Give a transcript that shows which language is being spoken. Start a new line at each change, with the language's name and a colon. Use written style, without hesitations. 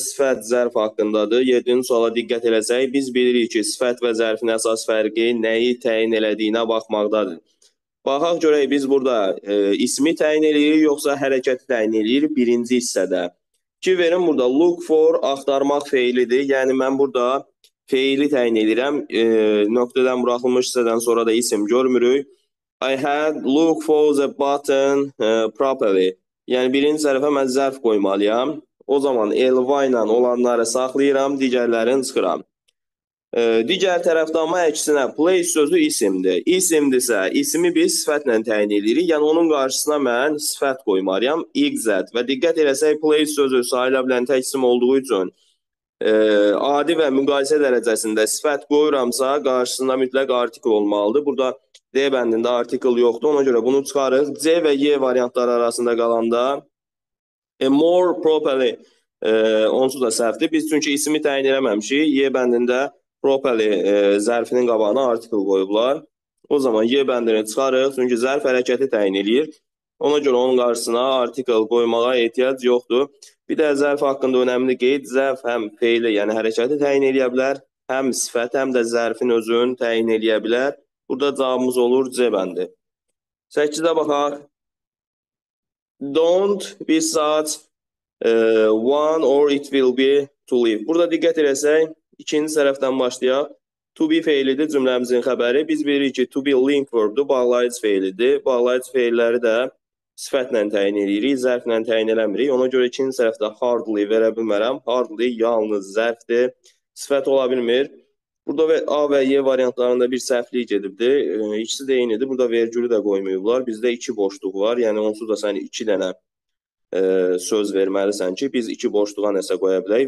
Azerbaijani: Sifət, zərf haqqındadır. 7-ci suala diqqət eləsək, biz bilirik ki, sifət və zərfin əsas fərqi nəyi təyin elədiyinə baxmaqdadır. Baxaq görək, biz burada ismi təyin eləyirik, yoxsa hərəkəti təyin eləyirik birinci hissədə. Ki, verin burada look for axtarmaq feilidir. Yəni, mən burada feili təyin edirəm. Nöqtədən buraxılmış hissədən sonra da isim görmürük.
English: I had look for the button properly.
Azerbaijani: Yəni, birinci zərfə mən zərf qoymalıyam. O zaman LY ilə olanları saxlayıram, digərlərini çıxıram. Digər tərəfdə amma əksinə place sözü isimdir. İsimdirsə, ismi biz sifətlə təyin edirik. Yəni, onun qarşısına mən sifət qoymalıyam, exact. Və diqqət eləsək, place sözü sayıla bilən tək isim olduğu üçün adi və müqayisə dərəcəsində sifət qoyuramsa, qarşısında mütləq artikl olmalıdır. Burada D bəndində artikl yoxdur, ona görə bunu çıxarırıq. C və Y variantları arasında qalanda more properly onsuz da səhvdir. Biz çünki ismi təyin edəməmişik. Y bəndində properly zərfinin qabağına artikl qoyublar. O zaman Y bəndini çıxarırıq, çünki zərf hərəkəti təyin edir. Ona görə onun qarşısına artikl qoymağa ehtiyac yoxdur. Bir də zərf haqqında önəmli qeyd, zərf həm feili, yəni hərəkəti təyin edə bilər, həm sifət, həm də zərfin özünü təyin edə bilər. Burada cavabımız olur C bəndi. 8-də baxaq.
English: Don't be such one or it will be too late.
Azerbaijani: Burada diqqət eləsək, ikinci tərəfdən başlayaq. To be feilidir cümləmizin xəbəri. Biz bilirik ki, to be link verbdir, bağlayıcı feilidir. Bağlayıcı feilləri də sifətlə təyin edirik, zərflə təyin eləmirik. Ona görə ikinci tərəfdə hardly verə bilmərəm. Hardly yalnız zərfdir, sifət ola bilmir. Burada A və Y variantlarında bir səhvlik gedibdir. İkisi də eynidir. Burada vergülü də qoymayıblar. Bizdə iki boşluq var. Yəni, onsuz da sən iki dənə söz verməlisən ki, biz iki boşluğa nəsə qoya bilək.